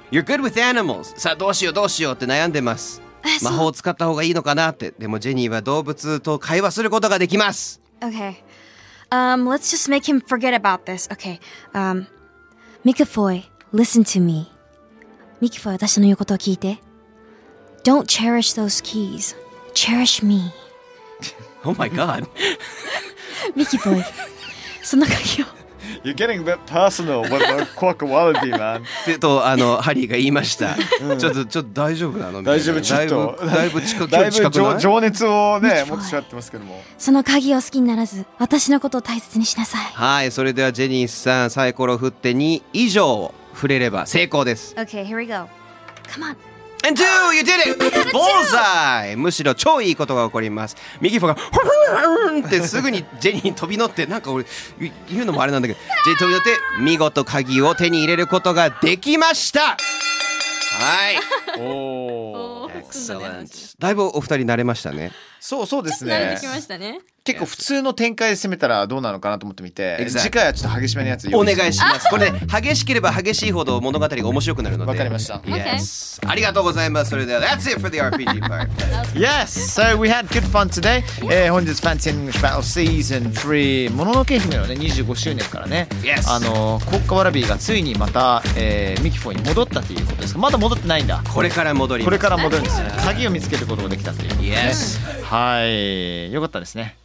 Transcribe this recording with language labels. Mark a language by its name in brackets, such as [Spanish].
[English] You're good with animals [Japanese] さあどうしようどうしようって悩んでます魔法を使った方がいいのかなってでもジェニーは動物と会話することができます [English] Okay Let's just make him forget about this Okay Mikifoy, listen to me. [Japanese] Mikifoy, 私の言うことを聞いて。 [English] Don't cherish those keys. Cherish me. Oh my god. [Japanese] Mikifoy, その鍵を。 [English] You're getting a bit personal with the quark wallaby, man. [Japanese] と、ハリーが言いました。ちょっと大丈夫なの大丈夫、ちょっと。だいぶ近くない？だいぶ情熱をね、持ってしまってますけども。その鍵を好きにならず、私のことを大切にしなさい。はい、それではジェニスさん、サイコロ振って2以上振れれば成功です。 [English] Okay, here we go. Come on. And two, you did it! Bullseye! [Japanese] むしろ超いいことが起こります。ミキフォが、ふふふってすぐにジェニーに飛び乗って、なんか俺、言うのもあれなんだけど、ジェニー飛び乗って、見事鍵を手に入れることができましたはい。お [English] ー。 Excellent。 [Japanese] だいぶお二人慣れましたね。そうそうですね。慣れてきましたね。結構普通の展開で攻めたらどうなのかなと思ってみて、 exactly. 次回はちょっと激しめのやつお願いしますこれ、ね、激しければ激しいほど物語が面白くなるのでわかりました、 [English] yes. okay. [Japanese] ありがとうございますそれでは [English] That's it for the RPG part Yes, so we had good fun today、yes. [Japanese] 本日 Fancy English Battle Season 3もののけ姫の、ね、25周年からね、 [English] yes. [Japanese] コッカワラビーがついにまた、ミキフォーに戻ったということですかまだ戻ってないんだこれから戻りこれから戻るんですね鍵を見つけることができたということで、ね [English] yes. [Japanese] はい、よかったですね